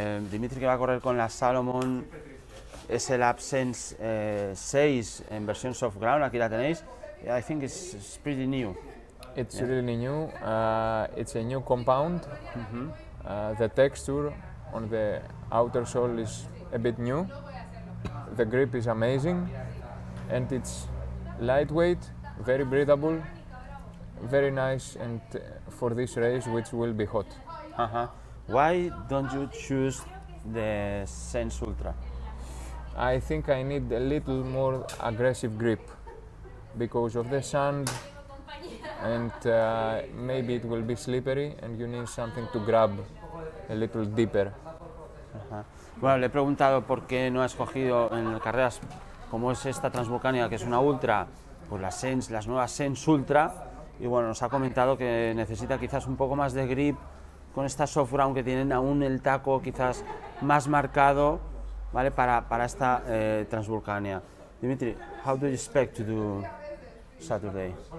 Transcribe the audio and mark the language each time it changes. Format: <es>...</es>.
<es>Dimitri, que va a correr con la Salomon SLAB Sense 6 en versión soft ground, aquí la tenéis.</es> <en>I think it's pretty new. It's really new. It's a new compound. The texture on the outer sole is a bit new. The grip is amazing and it's lightweight, very breathable, very nice, and for this race, which will be hot. Uh-huh. Why don't you choose the Sense Ultra? I think I need a little more aggressive grip because of the sand, and maybe it will be slippery and you need something to grab a little deeper. Uh-huh.</en> <es>Bueno, le he preguntado por qué no ha escogido en carreras como es esta Transvulcánica, que es una ultra, pues las Sense, las nuevas Sense Ultra, y bueno, nos ha comentado que necesita quizás un poco más de grip con esta software, aunque tienen aún el taco quizás más marcado, ¿vale? Para esta Transvulcánica.</es> <en>Dimitri, how do you expect to do Saturday?</en>